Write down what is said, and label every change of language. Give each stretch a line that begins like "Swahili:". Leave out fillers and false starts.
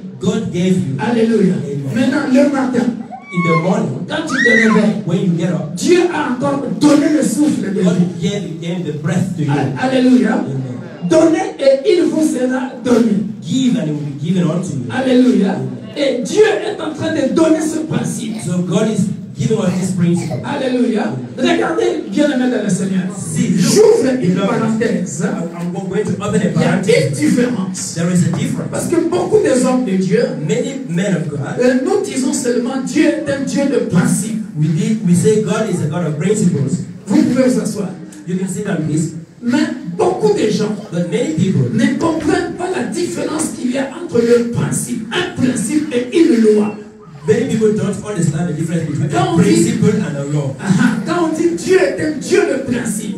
English: God gave you.
French: Alléluia. Maintenant, le matin.
English: In the morning,
French: quand tu te réveilles,
English: when you get up,
French: Dieu a encore donné le souffle de
English: God
French: vie.
English: God gave the breath to you.
French: Alléluia. Amen. Donnez et il vous sera donné.
English: Give and it will be given unto you.
French: Alléluia. Et Dieu est en train de donner ce principe.
English: So God is giving us this principle.
French: Alléluia. Regardez bien aimé dans le Seigneur.
English: See,
French: j'ouvre une parenthèse.
English: I'm going to open a parenthèse.
French: Il y a une différence.
English: There is a difference.
French: Parce que beaucoup des hommes de Dieu,
English: many men of God,
French: nous disons seulement Dieu est un Dieu de principe.
English: We say God is a God of principles.
French: Vous pouvez s'asseoir.
English: You can sit down, please.
French: Mais beaucoup de gens,
English: but many people,
French: ne comprennent pas la différence qu'il y a entre le principe, un principe et une loi.
English: Many people don't understand the difference between a principle
French: dit,
English: and a law.
French: Quand on dit Dieu est un Dieu de principe,